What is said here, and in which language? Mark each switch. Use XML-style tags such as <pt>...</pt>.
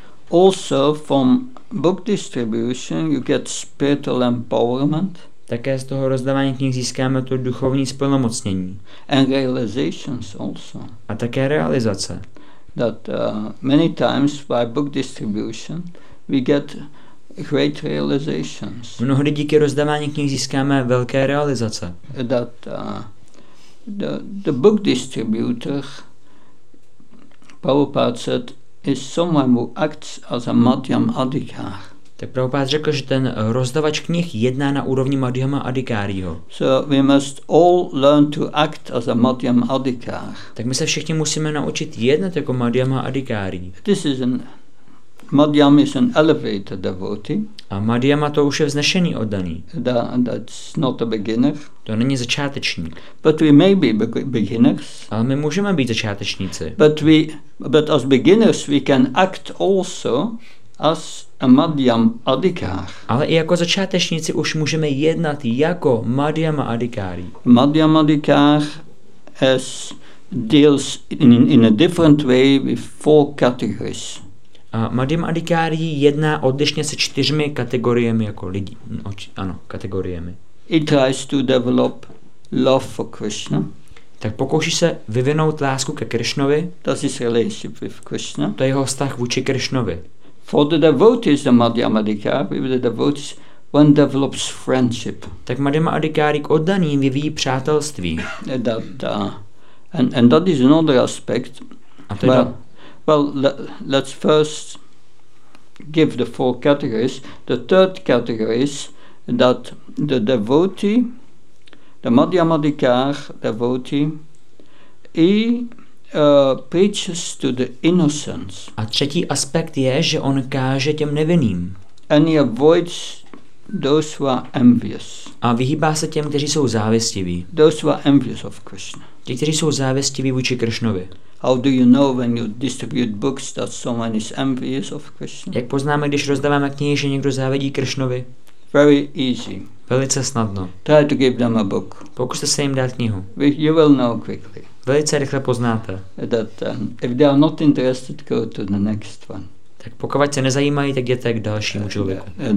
<en>Also from book distribution you get spiritual empowerment.</en> <cs>Také z toho rozdávání knih získáme to duchovní splnomocnění.</cs> <en>And realizations also.</en> <cs>A také realizace.</cs> <en>That many times by book distribution we get great realizations.</en> <cs>Mnohdy díky rozdávání knih získáme velké realizace.</cs> <en>That the book distributor Prabhupada said is someone who acts as a Madhyam Adhikar.</en> <cs>Tak Prabhupád řekl, že ten rozdavač knih jedná na úrovni Madhyama Adhikáriho.</cs> <en>So we must all learn to act as a Madhyam Adhikar.</en> <cs>Tak my se všichni musíme naučit jednat jako Madhyama Adhikári.</cs> <en>This is an Madhyam is an elevated devotee.</en> <cs>A Madhyama to už je vznešený oddaný.</cs> <en>That's not a beginner.</en> <cs>To není začátečník.</cs> <en>But we may be beginners.</en> <cs>Ale my můžeme být začátečníci.</cs> <en>But as beginners we can act also as a Madhyam Adhikar.</en> <cs>Ale i jako začátečníci už můžeme jednat jako Madhyama Adhikari.</cs> <en>Madhyam Adhikar deals in a different way with four categories.</en> <cs>A Madhyam Adhikari jedná odlišně se čtyřmi kategoriemi jako lidí. Ano, kategoriemi.</cs> <en>He tries to develop love for Krishna.</en> <cs>Tak pokouší se vyvinout lásku ke Krishnovi.</cs> <en>That's his relationship with Krishna.</en> <cs>To je jeho vztah vůči Krishnovi.</cs> <en>For the devotee is the Madhyam Adhikar, with the devotees one develops friendship.</en> <cs>Tak Madhyam Adhikari k oddaným vyvíjí přátelství.</cs> <en>And that is another aspect. Let's first give the four categories. The third category is that the devotee, the Madhyam Adhikar devotee, preaches to the innocents.</en> <cs>A třetí aspekt je, že on káže těm nevinným.</cs> <en>And he avoids those who are envious.</en> <cs>A vyhýbá se těm, kteří jsou závistiví.</cs> <en>Those who are envious of Krishna.</en> <cs>Ti, kteří jsou závistiví vůči Krishnovi.</cs> <en>How do you know when you distribute books that someone is envious of Krishna?</en> <cs>Jak poznáme, když rozdáváme knihy, že někdo závidí Krishnovi?</cs> <en>Very easy.</en> <cs>Velice snadno.</cs> <en>Try to give them a book.</en> <cs>Pokuste se jim dát knihu.</cs> <en>You will know quickly.</en> <cs>Velice rychle poznáte.</cs> <en>That if they are not interested, go to the next one.</en> <cs>Tak pokud se nezajímají, tak jděte k dalšímu člověku.</cs>